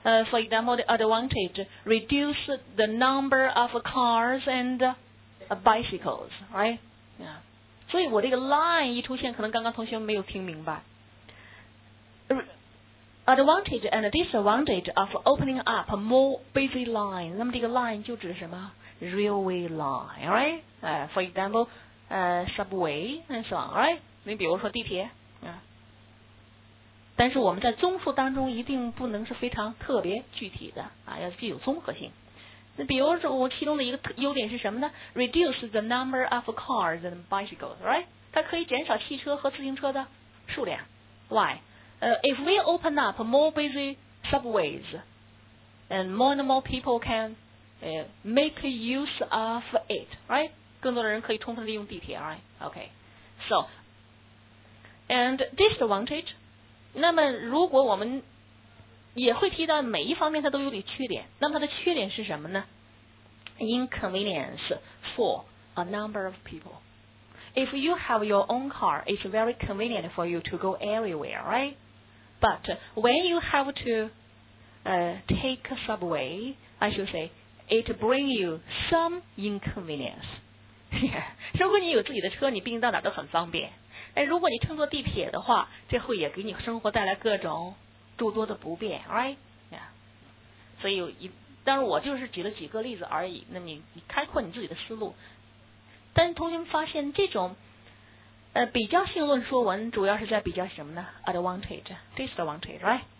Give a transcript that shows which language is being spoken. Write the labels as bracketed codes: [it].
[en] For example, the advantage, reduce the number of cars and bicycles, right? Yeah. [zh] 所以我这个 line 一出现，可能刚刚同学没有听明白。 [en] Advantage and disadvantage of opening up more busy lines. [zh] 那么这个 line 就指什么 ？ [en] Railway line, right? For example, subway and so on, right? [zh] 你比如说地铁。但是我们在综述当中一定不能是非常特别具体的啊，要具有综合性。那比如说我其中的一个优点是什么呢 ？ [en] Reduce the number of cars and bicycles, right? [zh] 它可以减少汽车和自行车的数量。 [en] Why? If we open up more busy subways, and more people can make use of it, right? [zh] 更多的人可以充分利用地铁 ， [en] right? Okay. So, and disadvantage. [zh] 那么如果我们也会提到每一方面它都有点缺点，那么它的缺点是什么呢 ？ [en] Inconvenience for a number of people. If you have your own car, it's very convenient for you to go everywhere, right? But when you have to take a subway, I should say, it bring you some inconvenience. [zh] 如果你有自己的车，你毕竟到哪都很方便。如果你乘坐地铁的话，这会也给你生活带来各种诸多的不便 ，right？ [en] Yeah. [zh] 所以有一，当然我就是举了几个例子而已。那你开阔你自己的思路。但同学们发现这种比较性论说文主要是在比较什么呢 ？ [en] Advantage, disadvantage, right？